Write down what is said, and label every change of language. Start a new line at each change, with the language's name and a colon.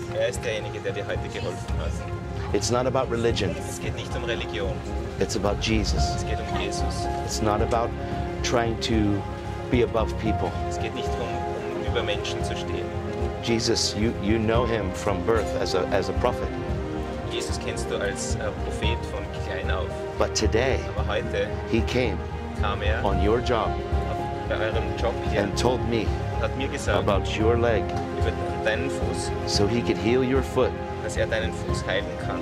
German: Er ist derjenige, der dir heute geholfen hat.
English: It's not about religion.
German: Es geht nicht um Religion.
English: It's about Jesus.
German: Es geht um Jesus.
English: It's not about trying to be above people.
German: Es geht nicht darum, über Menschen zu stehen.
English: Jesus, you know him from birth as a prophet.
German: Jesus kennst du als Prophet von klein auf.
English: But today,
German: aber heute,
English: he came
German: kam er
English: on your job,
German: bei eurem job hier
English: and told me
German: hat mir gesagt,
English: about your leg
German: über deinen Fuß,
English: so he could heal your foot,
German: dass er deinen Fuß heilen kann,